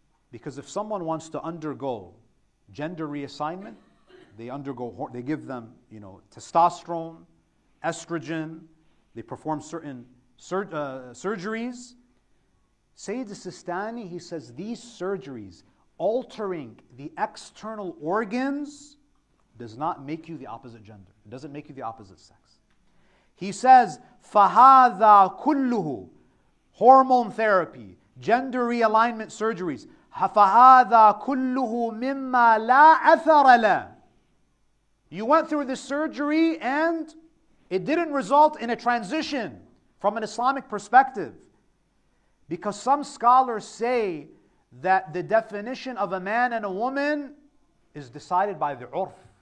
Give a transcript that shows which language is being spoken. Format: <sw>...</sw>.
<en>Because if someone wants to undergo gender reassignment, they give them, you know, testosterone, estrogen, they perform certain surgeries. Sayyid Sistani, he says, these surgeries altering the external organs does not make you the opposite gender. It doesn't make you the opposite sex. He says,</en> <ar>فَهَذَا كُلُّهُ</ar> <en>hormone therapy, gender realignment surgeries,</en> <ar>فَهَذَا كُلُّهُ مِمَّا لَا أَثَرَ لَهُ.</ar> <en>You went through the surgery and it didn't result in a transition from an Islamic perspective. Because some scholars say that the definition of a man and a woman is decided by the urf.</en>